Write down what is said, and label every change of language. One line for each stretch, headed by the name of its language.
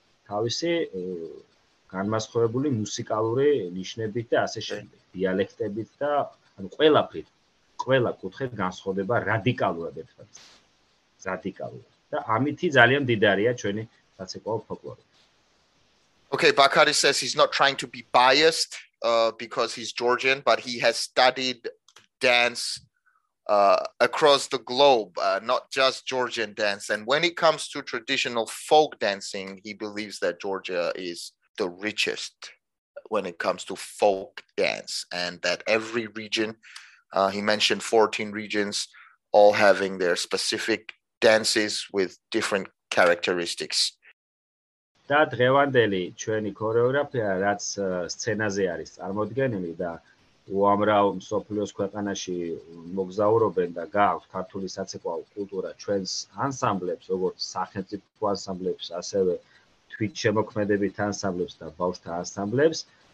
Georgian: თავისი განმასხვავებული მუსიკალური ნიშნებით და ასე შემდეგ, დიალექტებით და ანუ ყველაფრით, ყველა კუთხე განსხვავდება რადიკალურად ერთმანეთ. რადიკალურად. Და ამითი ძალიან მდიდარია ჩვენი საცეკვაო ფოლკლორი.
English: Okay, Bakari says he's not trying to be biased because he's Georgian, but he has studied dance across the globe, not just Georgian dance. And when it comes to traditional folk dancing, he believes that Georgia is the richest when it comes to folk dance, and that every region, he mentioned 14 regions, all having their specific dances with different characteristics.
Georgian: და დღევანდელი ჩვენი ქორეოგრაფია, რაც სცენაზე არის წარმოდგენილი და უამრავ მსოფლიოს ქვეყანაში მოგზაურობენ და გააქვთ ქართული საცეკვაო კულტურა ჩვენს ანსამბლებს, როგორც სახელმწიფო ანსამბლებს, ასევე თვითშემოქმედებით ანსამბლებს და ბავშვთა ანსამბლებს,